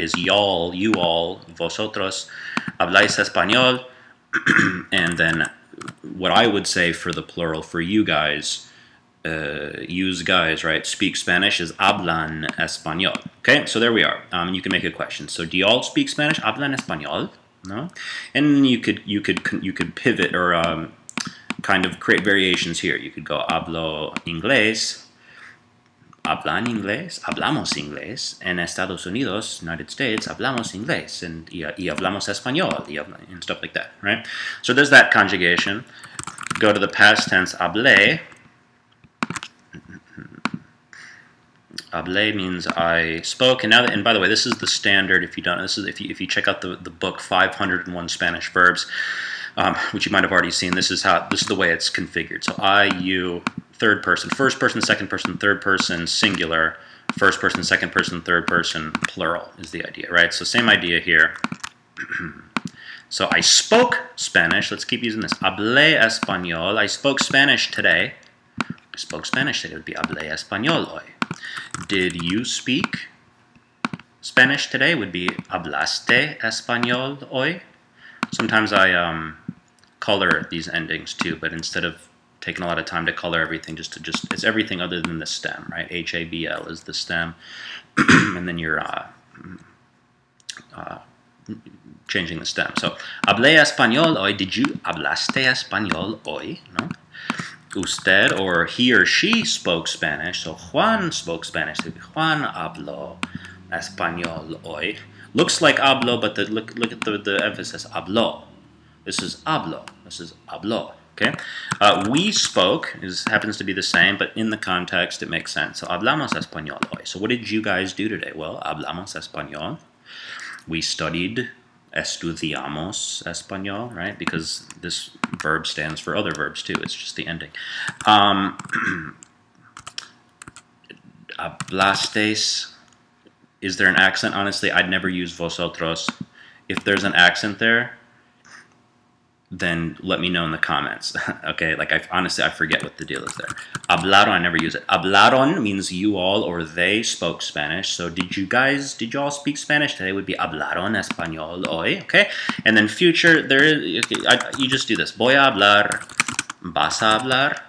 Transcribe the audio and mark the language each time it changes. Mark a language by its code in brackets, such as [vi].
[en] Is y'all, you all, [es] vosotros, habláis español. [en] And then what I would say for the plural for you guys, use guys, right? Speak Spanish is [es] hablan español. [en] Okay, so there we are. You can make a question. So do y'all speak Spanish? [es] Hablan español? [en] No? And you could pivot or kind of create variations here. You could go, [es] hablo inglés, hablan inglés, hablamos inglés, en Estados Unidos, United States, hablamos inglés, and y hablamos español, [en] and stuff like that, right? So there's that conjugation. Go to the past tense, [es] hablé. [en] Hablé means I spoke, and now that, and by the way, this is the standard. If you check out the book 501 Spanish Verbs, which you might have already seen, this is the way it's configured. So I, you, third person, first person, second person, third person, singular, first person, second person, third person, plural is the idea, right? So same idea here. So I spoke Spanish. Let's keep using this. [es] Hablé español. [en] I spoke Spanish today. I spoke Spanish today. It would be [es] hablé español hoy. [en] Did you speak Spanish today? Would be [es] hablaste español hoy? [en] Sometimes I color these endings too, but instead of taking a lot of time to color everything, just it's everything other than the stem, right? H-A-B-L is the stem, and then you're changing the stem. [es] So, hablé español hoy? [en] Did you [es] hablaste español hoy? [en] No? Usted or he or she spoke Spanish, so Juan spoke Spanish. [es] Juan habló español hoy. [en] Looks like hablo, but look at the emphasis. Hablo. This is hablo. This is hablo. Okay. We spoke happens to be the same, but in the context it makes sense. So [es] hablamos español hoy. [en] So what did you guys do today? Well, [es] hablamos español. [en] We studied. [es] Estudiamos español, [en] right? Because this verb stands for other verbs too. It's just the ending. Hablasteis. Is there an accent? Honestly, I'd never use vosotros. If there's an accent there, then let me know in the comments. Okay, like I forget what the deal is there. Hablaron, I never use it. Hablaron means you all or they spoke Spanish. So did y'all speak Spanish today? Would be [es] hablaron español hoy, okay? [en] And then future, you just do this. [es] Voy a hablar, vas a hablar.